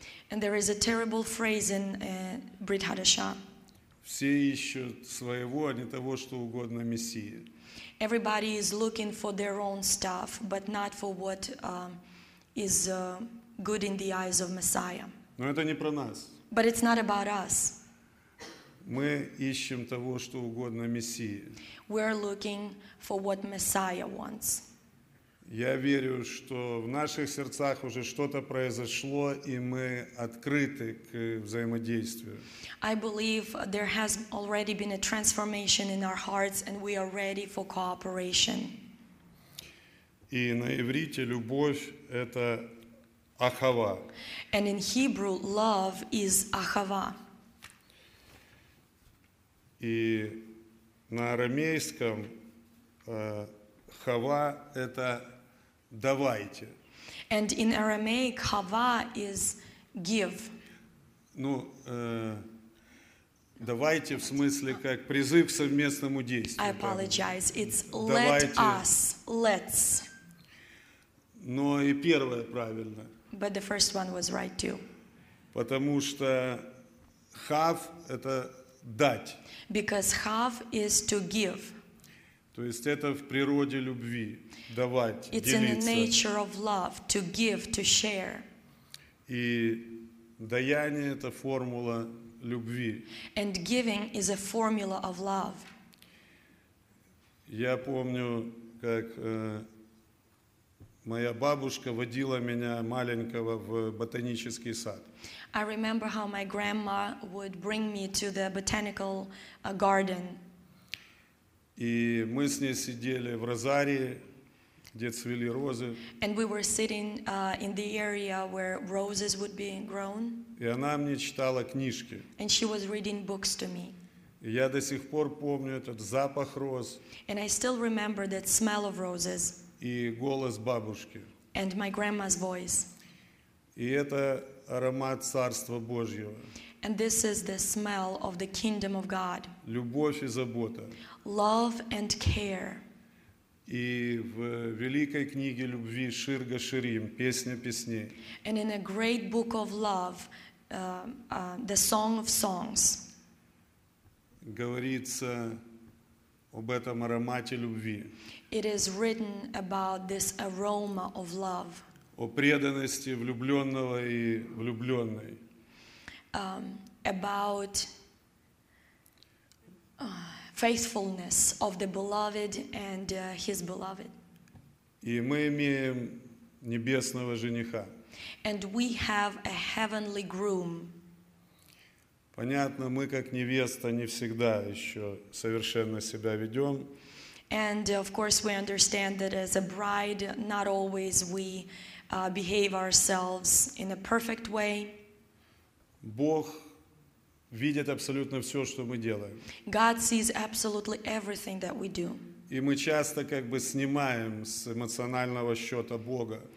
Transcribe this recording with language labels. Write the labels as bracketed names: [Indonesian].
[English] And there is a terrible phrase in Brit Hadasha. [Russian] Все ищут своего, а не того, что угодно Мессии. [English] Everybody is looking for their own stuff, but not for what is good in the eyes of Messiah. [Russian] Но это не про нас. [English] But it's not about us. [Russian] Мы ищем того, что угодно Мессии. [English] We are looking for what Messiah wants. [Russian] Я верю, что в наших сердцах уже что-то произошло, и мы открыты к взаимодействию. [English] I believe there has already been a transformation in our hearts, and we are ready for cooperation. [Russian] И на иврите любовь — это ахава. [English] And in Hebrew, love is ахава. [Russian] И на арамейском хава — это давайте. [English] And in Aramaic, хава is give. [Russian] Ну, давайте в смысле как призыв к совместному действию. [English] I apologize. It's let us. Let's. [Russian] Но и первое правильно. [English] But the first one was right too. [Russian] Потому что хав — это дать. [English] Because хав is to give. [Russian] То есть это в природе любви — давать, [English] it's [Russian] делиться. [English] It's in the nature of love — to give, to share. [Russian] И даяние — это формула любви. [English] And giving is a formula of love. [Russian] Я помню, как моя бабушка водила меня маленького в ботанический сад. [English] I remember how my grandma would bring me to the botanical garden. [Russian] И мы с ней сидели в розарии, где цвели розы. [English] And we were sitting in the area where roses would be grown. [Russian] И она мне читала книжки. [English] And she was reading books to me. [Russian] И я до сих пор помню этот запах роз. [English] And I still remember that smell of roses. [Russian] И голос бабушки. [English] And my grandma's voice. [Russian] И это аромат Царства Божьего. [English] And this is the smell of the kingdom of God. [Russian] Любовь и забота. [English] Love and care. [Russian] И в великой книге любви Шир Гаширим, Песня песней. [English] And in a great book of love, the Song of Songs. [Russian] Говорится об этом аромате любви. [English] It is written about this aroma of love. [Russian] О преданности влюбленного и влюбленной. [English] About faithfulness of the beloved and his beloved. [Russian] И мы имеем небесного жениха. [English] And we have a heavenly groom. [Russian] Понятно, мы как невеста не всегда еще совершенно себя ведем. [English] And of course we understand that as a bride, not always we behave ourselves in a perfect way. [Russian] Бог видит абсолютно все, что мы делаем. [English] God sees absolutely everything that we do. [Russian] И мы часто как бы снимаем с эмоционального счета Бога.